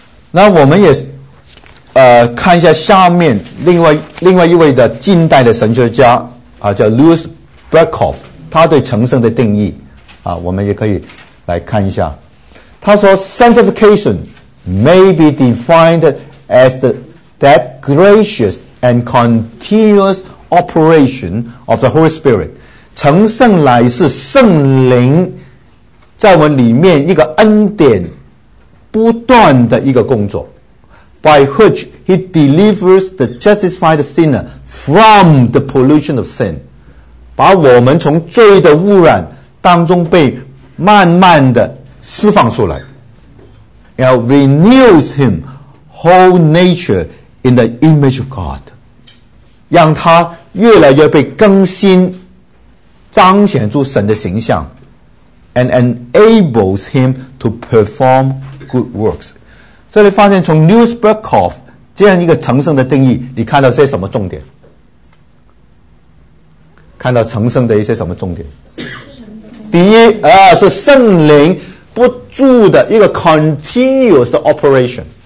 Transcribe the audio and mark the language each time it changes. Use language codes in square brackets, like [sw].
[zh] 那我们也看一下下面另外一位的近代的神学家啊，叫 Louis Breakoff， 他对成圣的定义。啊，我们也可以来看一下。 [en] 他说，sanctification may be defined as the that gracious and continuous operation of the Holy Spirit。 [zh] 成圣乃是圣灵在我们里面一个恩典不断的一个工作，by which he delivers the justified sinner from the pollution of sin， 把我们从罪的污染。 [en] 当中被慢慢的释放出来，and renews him whole nature in the image of God，让他越来越被更新，彰显出神的形象，and enables him to perform good works。 [zh] 所以你发现从 Louis Breakoff 这样一个成圣的定义，你看到些什么重点？看到成圣的一些什么重点？第一啊，是圣灵不住的一个 continuous operation，